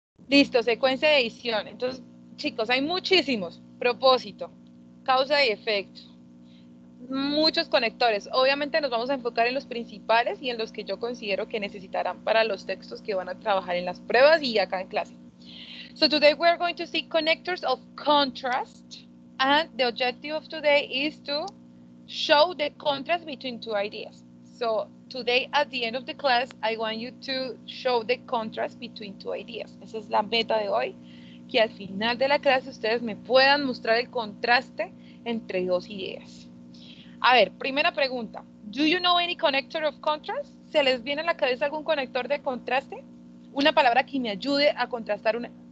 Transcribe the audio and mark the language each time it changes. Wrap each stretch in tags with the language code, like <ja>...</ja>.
<es>Listo, secuencia de edición. Entonces, chicos, hay muchísimos. Propósito, causa y efecto. Muchos conectores. Obviamente nos vamos a enfocar en los principales y en los que yo considero que necesitarán para los textos que van a trabajar en las pruebas y acá en clase.</es> <en>So today we are going to see connectors of contrast and the objective of today is to show the contrast between two ideas. So today at the end of the class I want you to show the contrast between two ideas.</en> <es>Esa es la meta de hoy, que al final de la clase ustedes me puedan mostrar el contraste entre dos ideas. A ver, primera pregunta.</es> <en>Do you know any connector of contrast?</en> <es>¿Se les viene a la cabeza algún conector de contraste? Una palabra que me ayude a contrastar una,</es>